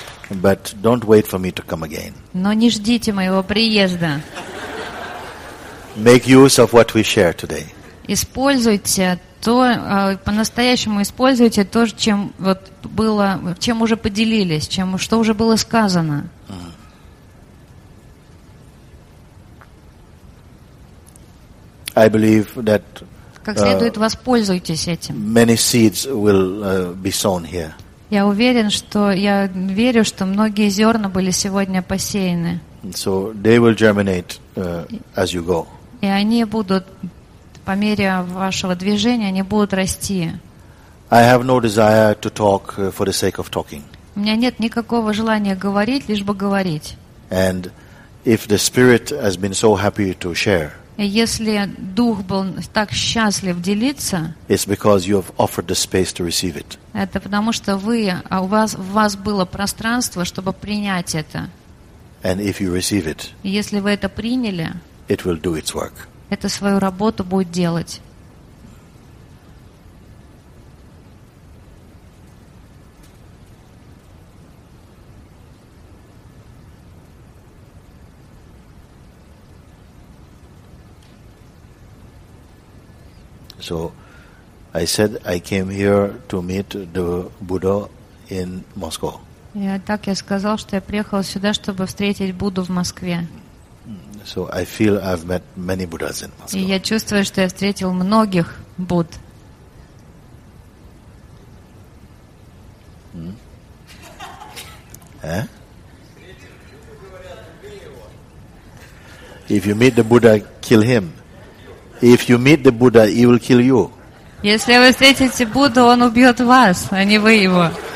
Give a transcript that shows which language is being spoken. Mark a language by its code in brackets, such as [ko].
[en] But don't wait for me to come again. [ru] Но не ждите моего приезда. [en] Make use of what we share today. [ru] Используйте то, по-настоящему используйте то, чем вот было, чем уже поделились, чем что уже было сказано. [en] I believe that. [ru] Как следует воспользуйтесь этим. [en] Many seeds will be sown here. [ru] Я уверен, что я верю, что многие зерна были сегодня посеяны. [en] So they will germinate as you go. [ru] И они будут по мере вашего движения, они будут расти. [en] I have no desire to talk for the sake of talking. [ru] У меня нет никакого желания говорить, лишь бы говорить. [en] And if the spirit has been so happy to share. [ru] И если дух был так счастлив делиться, [en] it's because you have offered the space to receive it. [ru] Это потому что вы, у вас было пространство, чтобы принять это. [en] And if you receive it, [ru] если вы это приняли, [en] it will do its work. [ru] Это свою работу будет делать. [en] So I said I came here to meet the Buddha in Moscow. [ru] Я так я сказал, что я приехал сюда, чтобы встретить Будду в Москве. [en] So I feel I've met many Buddhas in Moscow. [ru] И я чувствую, что я встретил многих Будд. [en] If you meet the Buddha, kill him. If you meet the Buddha, he will kill you. [ru] Если вы встретите Будду, он убьет вас, а не вы его.